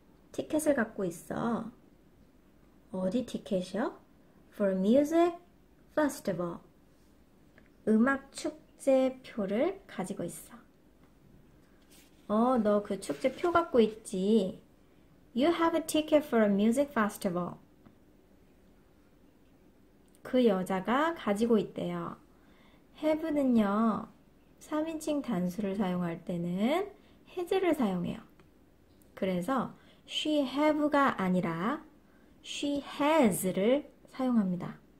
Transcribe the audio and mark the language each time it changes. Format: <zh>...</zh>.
<ko>티켓을 갖고 있어. 어디 티켓이요?</ko> <en>For a music festival.</en> <ko>음악 축제표를 가지고 있어. 어, 너 그 축제표 갖고 있지?</ko> <en>You have a ticket for a music festival.</en> <ko>그 여자가 가지고 있대요. have는요, 3인칭 단수를 사용할 때는 has를 사용해요. 그래서 she have가 아니라 she has를 사용합니다.</ko>